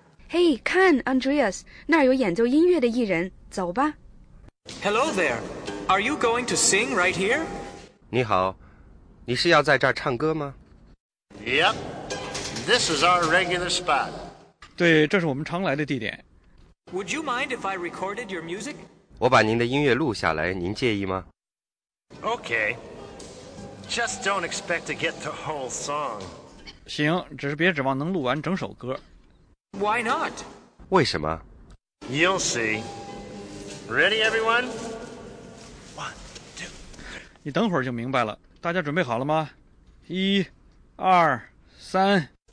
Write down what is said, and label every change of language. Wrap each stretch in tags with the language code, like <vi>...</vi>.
<zh>Hey, 看 Andreas, 那儿有演奏音乐的艺人。走吧。</zh> <en>Hello there. Are you going to sing right here?</en> <zh>你好，你是要在这儿唱歌吗？</zh> <en>Yep. This is our regular spot.</en> <zh>对，这是我们常来的地点。</zh> <en>Would you mind if I recorded your music?</en> <zh>我把您的音乐录下来，您介意吗？</zh> <en>Okay. Just don't expect to get the whole song.</en> <zh>行，只是别指望能录完整首歌。</zh> <en>Why not?</en> <zh>为什么？</zh> <en>You'll see. Ready, everyone? One, two.</en> <zh>你等会儿就明白了。大家准备好了吗？一、二、三。</zh>